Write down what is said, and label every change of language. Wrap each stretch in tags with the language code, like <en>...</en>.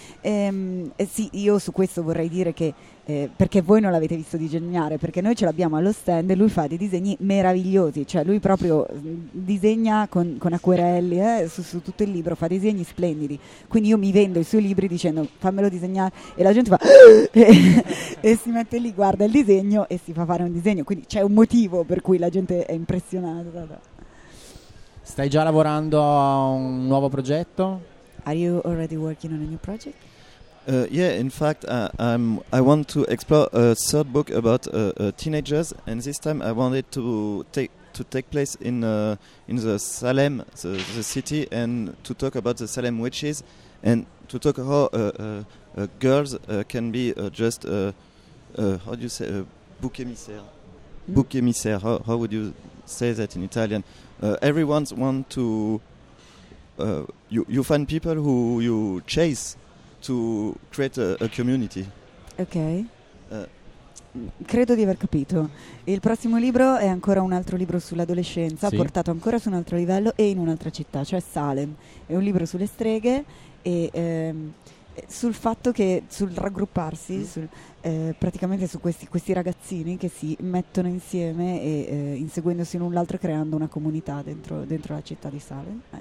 <it>Sì, io su questo vorrei dire che, perché voi non l'avete visto disegnare, perché noi ce l'abbiamo allo stand e lui fa dei disegni meravigliosi, cioè lui proprio disegna con acquerelli su tutto il libro, fa disegni splendidi, quindi io mi vendo i suoi libri dicendo fammelo disegnare e la gente fa e si mette lì, guarda il disegno e si fa fare un disegno, quindi c'è un motivo per cui la gente è impressionata. Stai già lavorando a un nuovo progetto?</it> <en>Are you already working on a new project? Yeah, in fact, I want to explore a third book about teenagers, and this time I wanted to take place in the Salem, the city, and to talk about the Salem witches, and to talk how girls can be just how do you say book emissaire? Mm. Book emissaire. How would you say that in Italian? Everyone want to you find people who you chase to create a community. Okay.</en> <it>Credo di aver capito. Il prossimo libro è ancora un altro libro sull'adolescenza, sì. Portato ancora su un altro livello e in un'altra città, cioè Salem. È un libro sulle streghe e sul fatto che sul raggrupparsi, praticamente su questi ragazzini che si mettono insieme e inseguendosi l'un l'altro creando una comunità dentro la città di Salem.</it>